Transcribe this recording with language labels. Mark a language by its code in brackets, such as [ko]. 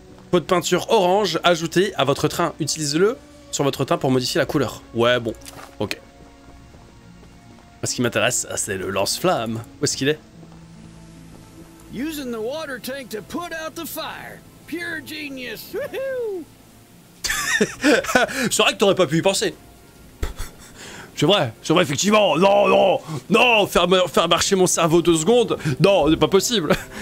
[fr] Peau de peinture orange ajoutée à votre train. Utilisez-le sur votre teint pour modifier la couleur. Ouais, bon, ok. Moi, ce qui m'intéresse, c'est le lance-flamme. Où est-ce qu'il est ? [en] Using the water tank to put out the fire. Pure genius. Woohoo! [fr] C'est vrai que t'aurais pas pu y penser. C'est vrai, effectivement. Non, non, non, faire marcher mon cerveau 2 secondes, non, c'est pas possible.